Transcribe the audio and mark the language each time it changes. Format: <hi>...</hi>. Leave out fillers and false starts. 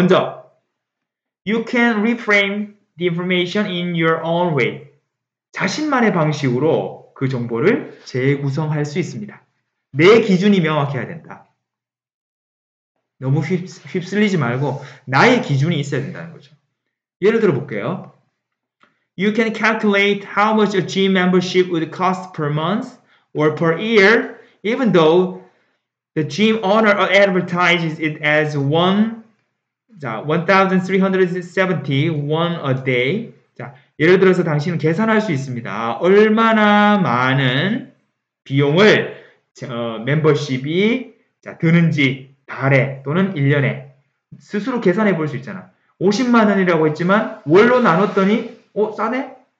<ko>먼저,</ko> <en>you can reframe the information in your own way.</en> <ko>자신만의 방식으로 그 정보를 재구성할 수 있습니다. 내 기준이 명확해야 된다. 너무 휩쓸리지 말고 나의 기준이 있어야 된다는 거죠. 예를 들어 볼게요.</ko> <en>You can calculate how much a gym membership would cost per month or per year, even though the gym owner advertises it as 1,371 won a day.</en> <ko>자, 예를 들어서 당신은 계산할 수 있습니다. 얼마나 많은 비용을 멤버십이 드는지 달에 또는 1년에 스스로 계산해 볼수 있잖아. 50만 원이라고 했지만 월로 나눴더니 싸네?</ko>